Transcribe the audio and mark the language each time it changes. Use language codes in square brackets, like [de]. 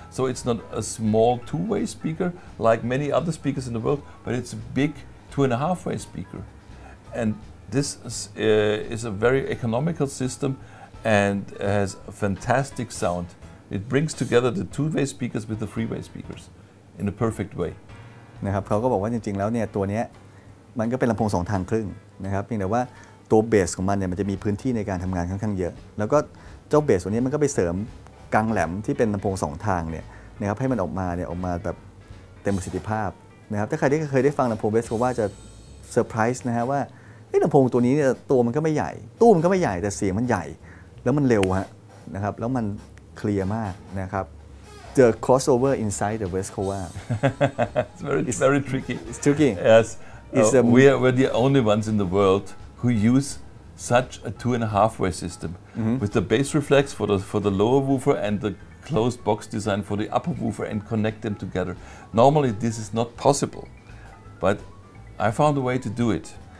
[en] So it's not a small two-way speaker like many other speakers in the world, but it's a big 2.5-way speaker. And this is a very economical system and has a fantastic sound. It brings together the two-way speakers with the three-way speakers in a perfect way. [th] นะครับเขาก็บอกว่าจริงๆแล้วเนี่ยตัวนี้มันก็เป็นลำโพง2 ทางครึ่งนะครับเพียงแต่ว่าตัวเบสของมันเนี่ยมันจะมีพื้นที่ในการทำงานค่อนข้างเยอะแล้วก็เจ้าเบสตัวนี้มันก็ไปเสริมกลางแหลมที่เป็นลำโพง2 ทางเนี่ยนะครับให้มันออกมาเนี่ยออกมาแบบเต็มประสิทธิภาพนะครับถ้าใครที่เคยได้ฟังลำโพงเบสก็ว่าจะเซอร์ไพรส์นะฮะว่าลำโพงตัวนี้เนี่ยตัวมันก็ไม่ใหญ่ตู้มันก็ไม่ใหญ่แต่เสียงมันใหญ่แล้วมันเร็วฮะนะครับแล้วมันเคลียร์มากนะครับ [en] The crossover inside the Vescova. It's very, it's very tricky. It's tricky. Yes. It's we're the only ones in the world who use such a 2.5-way system mm-hmm. with the bass reflex for the lower woofer and the closed box design for the upper woofer and connect them together. Normally, this is not possible, but I found a way to do it.